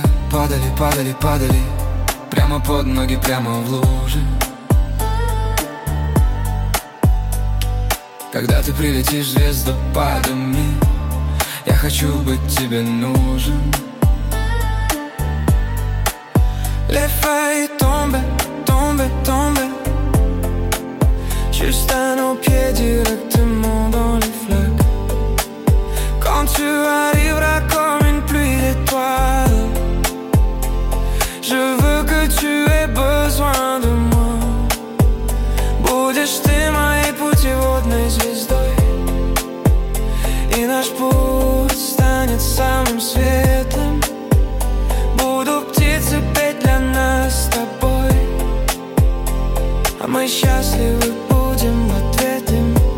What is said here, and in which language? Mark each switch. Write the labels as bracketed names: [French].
[Russian] Падали, падали, падали прямо под ноги, прямо в лужи. Когда ты прилетишь звездопадами, я хочу быть тебе нужен. [French] Les feuilles tombent, tombent, tombent juste à nos pieds directement dans les flaques. Quand tu arriveras comme une pluie d'étoiles, je veux que tu aies besoin de moi. [Russian] Будешь ты моей путеводной звездой, и наш путь станет самым светлым. Буду птицы петь для нас с тобой, а мы счастливы будем в ответ им.